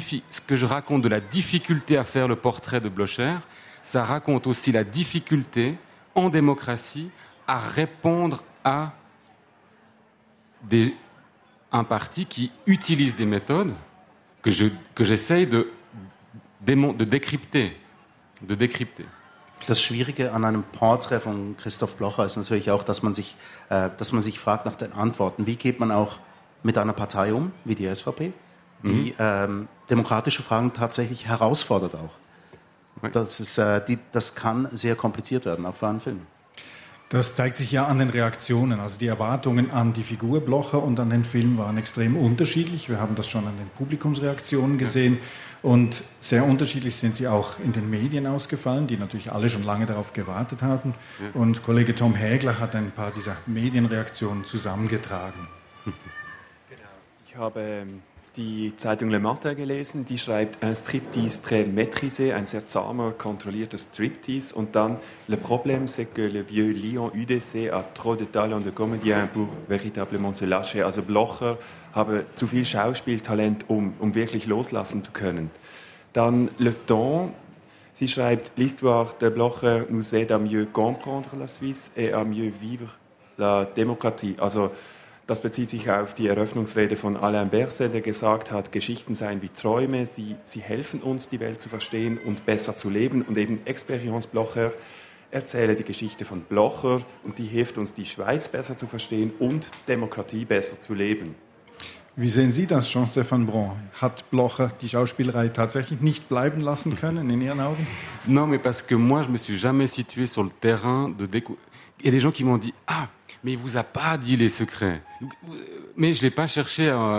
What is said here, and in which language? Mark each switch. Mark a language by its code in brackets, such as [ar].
[fr] ce que je raconte de la difficulté à faire le portrait de Blocher, ça raconte aussi la difficulté en démocratie à répondre à un parti qui utilise des méthodes que j'essaye de décrypter. [de] Das Schwierige an einem Porträt von Christoph Blocher ist natürlich auch, dass man sich fragt nach den Antworten. Wie geht man auch mit einer Partei um, wie die SVP, die demokratische Fragen tatsächlich herausfordert auch. Oui. Das kann sehr kompliziert werden, auch für einen Film. Das zeigt sich ja an den Reaktionen. Also die Erwartungen an die Figur Blocher und an den Film waren extrem unterschiedlich. Wir haben das schon an den Publikumsreaktionen gesehen. Ja. Und sehr unterschiedlich sind sie auch in den Medien ausgefallen, die natürlich alle schon lange darauf gewartet hatten. Ja. Und Kollege Tom Hägler hat ein paar dieser Medienreaktionen zusammengetragen. Ich habe die Zeitung Le Matin gelesen, die schreibt [fr] «un striptease très maîtrisé», [de] ein sehr zahmer, kontrollierter Striptease. Und dann [fr] «le problème c'est que le vieux Lion UDC a trop de talent de comédien pour véritablement se lâcher». [de] Also Blocher habe zu viel Schauspieltalent, um wirklich loslassen zu können. Dann [fr] «le ton», [de] sie schreibt [fr] «l'histoire de Blocher nous aide à mieux comprendre la Suisse et à mieux vivre la démocratie». [de] Also, das bezieht sich auf die Eröffnungsrede von Alain Berset, der gesagt hat, Geschichten seien wie Träume, sie helfen uns, die Welt zu verstehen und besser zu leben. Und eben Expérience Blocher erzähle die Geschichte von Blocher und die hilft uns, die Schweiz besser zu verstehen und Demokratie besser zu leben. Wie sehen Sie das, Jean-Stéphane Bron? Hat Blocher die Schauspielerei tatsächlich nicht bleiben lassen können in Ihren Augen? [fr] Non, mais parce que moi, je me suis jamais situé sur le terrain de découvrir. Il y a des gens qui m'ont dit « Ah, mais il ne vous a pas dit les secrets. » Mais je ne l'ai pas cherché.